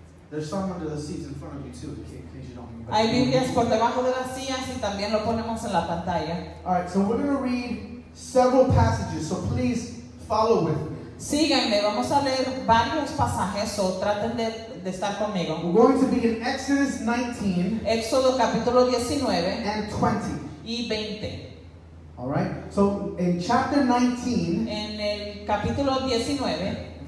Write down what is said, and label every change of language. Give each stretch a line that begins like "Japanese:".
English: There's some under the seats in front of you too, in case you don't need.
Spanish: Hay Biblias por debajo de las sillas y también lo ponemos en la pantalla.
English: All right, so we're going to read several passages, so please follow with me.
Spanish: Síganme, vamos a leer varios pasajes, o traten de estar conmigo.
English: We're going to be in Exodus 19,
Spanish: Éxodo capítulo 19,
English: and 20.
Spanish: Y 20.
English: All right, so in chapter 19,
Spanish: en el capítulo 19,